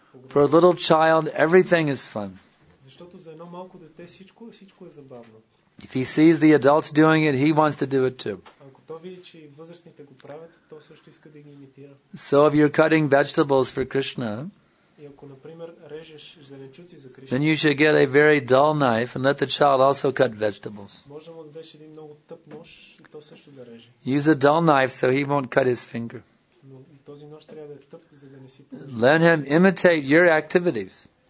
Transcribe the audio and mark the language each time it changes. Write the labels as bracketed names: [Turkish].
[English] For a little child, everything is fun. [Bulgarian] Защото за едно малко дете всичко е забавно. [English] If he sees the adults doing it, he wants to do it too. [Bulgarian] Ако той види, че възрастните го правят, то също иска да ги имитира. [English] So if you're cutting vegetables for Krishna, [Bulgarian] и ако, например, режеш зеленчуци за Кришна, [English] then you should get a very dull knife and let the child also cut vegetables. [Bulgarian] Може да му дадеш един много тъп нож и то също да реже. [English] Use a dull knife so he won't cut his finger. [Bulgarian] Но този нож трябва да е тъп, за да не си помеш. [English] Let him imitate your activities.